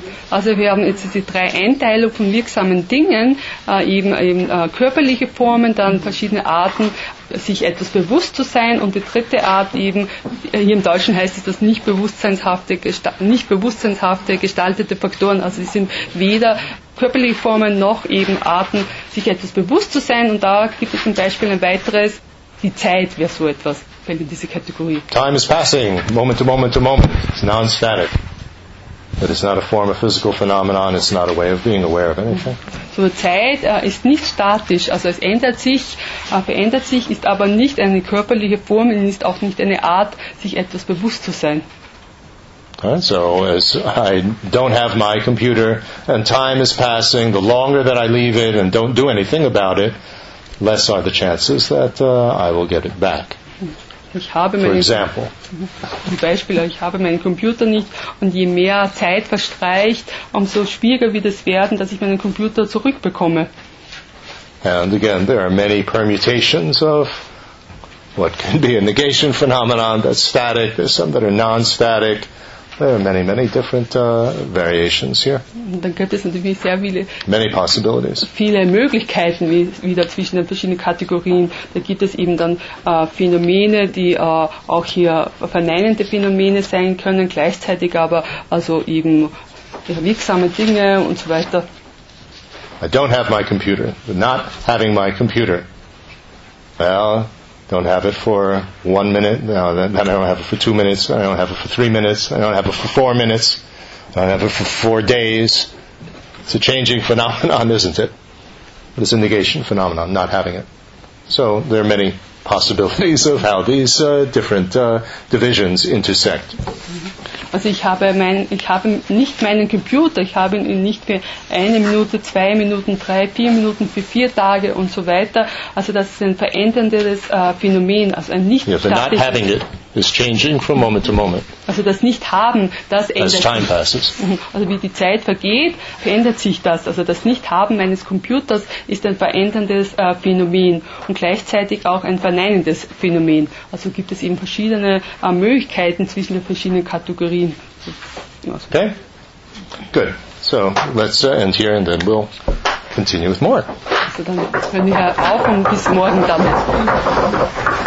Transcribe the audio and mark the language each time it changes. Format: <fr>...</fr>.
<de>Also wir haben, jetzt die drei Einteilung von wirksamen Dingen, eben körperliche Formen, dann verschiedene Arten, sich etwas bewusst zu sein, und die dritte Art eben, hier im Deutschen heißt es das nicht bewusstseinshafte gestaltete Faktoren, also die sind weder körperliche Formen noch eben Arten, sich etwas bewusst zu sein, und da gibt es zum Beispiel ein weiteres, die Zeit wäre so etwas, fällt in diese Kategorie.</de> <en>Time is passing, moment to moment to moment, it's non-static. But it's not a form of physical phenomenon, it's not a way of being aware of anything.</en> <de>So Zeit ist nicht statisch, also es ändert sich, verändert sich, ist aber nicht eine körperliche Form und ist auch nicht eine Art, sich etwas bewusst zu sein.</de> <en>Right, so as I don't have my computer and time is passing, the longer that I leave it and don't do anything about it, less are the chances that I will get it back.</en> <de>Ich habe meinen Computer nicht, und je mehr Zeit verstreicht, umso schwieriger wird es werden, dass ich meinen Computer zurückbekomme.</de> <en>And again, there are many permutations of what can be a negation phenomenon that's static, there's some that are non-static. There are many, many different variations here.</en> <de>Dann gibt es natürlich sehr viele,</de> <en>many possibilities.</en> <de>Viele Möglichkeiten wieder zwischen den verschiedenen Kategorien. Da gibt es eben dann Phänomene, die auch hier verneinende Phänomene sein können, gleichzeitig aber also eben wirksame Dinge und so weiter.</de> <en>I don't have my computer. Not having my computer. Well, don't have it for 1 minute, no, then I don't have it for 2 minutes, I don't have it for 3 minutes, I don't have it for 4 minutes, I don't have it for 4 days. It's a changing phenomenon, isn't it? But it's a negation phenomenon, not having it. So there are many possibilities of how these different divisions intersect.</en> <de>Also ich habe nicht meinen Computer, ich habe ihn nicht für 1 Minute, 2 Minuten, 3, 4 Minuten, für 4 Tage und so weiter. Also das ist ein veränderndes Phänomen, also ein nicht statisches.</de> <en>Yeah, but not having it is changing from moment to moment.</en> <de>Also das Nicht-Haben, das ändert sich.</de> <en>As time passes.</en> <de>Also wie die Zeit vergeht, verändert sich das. Also das Nicht-Haben meines Computers ist ein veränderndes Phänomen und gleichzeitig auch ein verneinendes Phänomen. Also gibt es eben verschiedene Möglichkeiten zwischen den verschiedenen Kategorien.</de> <en>Okay, good. So let's end here and then we'll continue with more.</en> <de>Also dann hören wir auf und bis morgen dann.</de>